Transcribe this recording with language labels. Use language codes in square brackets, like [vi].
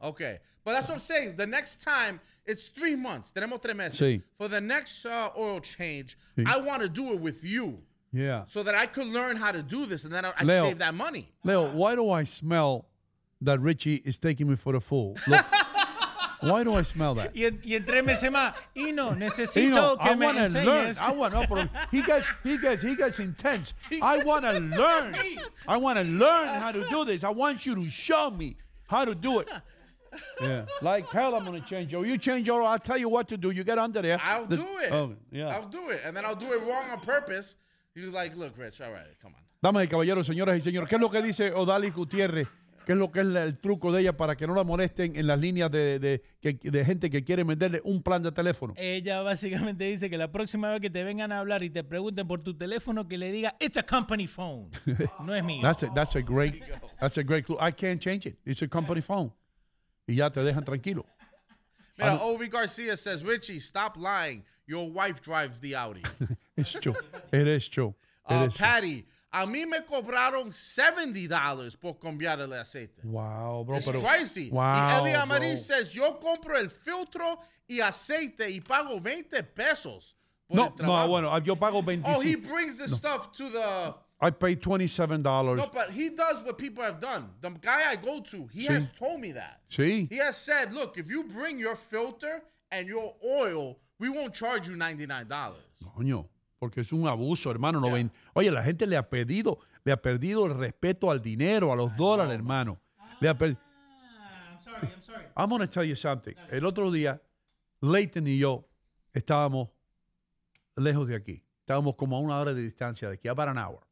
[en] Okay. But that's what I'm saying. The next time, it's 3 months. [es] Tenemos 3 meses. Sí. [en] For the next oil change, sí. I want to do it with you. Yeah. So that I could learn how to do this and then I'd Leo, save that money. Leo, why do I smell that Richie is taking me for the fool? Look. Why do I smell that? [es] Y en 3 meses más, Ino, necesito Ino, que [en] I [es] me enseñes. [en] Learn. I want to learn. He gets intense. I want to learn. I want to learn how to do this. I want you to show me how to do it. Yeah. Like hell, I'm going to change oil. You change oil, I'll tell you what to do. You get under there. I'll do it. Oh, yeah. I'll do it. And then I'll do it wrong on purpose. He's like, look, Rich, all right, come on. [es] Damas y caballeros, señoras y señores, ¿qué es lo que dice Odalis Gutiérrez? ¿Qué es lo que es el truco de ella para que no la molesten en las líneas de gente que quiere venderle un plan de teléfono? Ella básicamente dice que la próxima vez que te vengan a hablar y te pregunten por tu teléfono, que le diga, [en] it's a company phone. [es] No es mío. [en] That's a great clue. I can't change it. It's a company phone. [es] Y ya te dejan tranquilo. [en] Mira, Ovi García says, Richie, stop lying. Your wife drives the Audi. It's true. It is true. Patty. [es] A mí me cobraron $70 por cambiar el aceite. [en] Wow, bro. It's pricey. Wow, [es] y Eddie Amarín says, yo compro el filtro y aceite y pago 20 pesos por el trabajo. No, bueno, yo pago 25. [en] Oh, he brings the stuff to the... I pay $27. No, but he does what people have done. The guy I go to, he has told me that. [es] Sí. [en] He has said, look, if you bring your filter and your oil, we won't charge you $99. [es] Coño. Porque es un abuso, hermano. No yeah. Oye, la gente le ha perdido el respeto al dinero, a los dólares, hermano. [en] I'm sorry. I'm going to tell you something. [es] Okay. El otro día, Leighton y yo estábamos lejos de aquí. Estábamos como a una hora de distancia de aquí, [en] about an hour.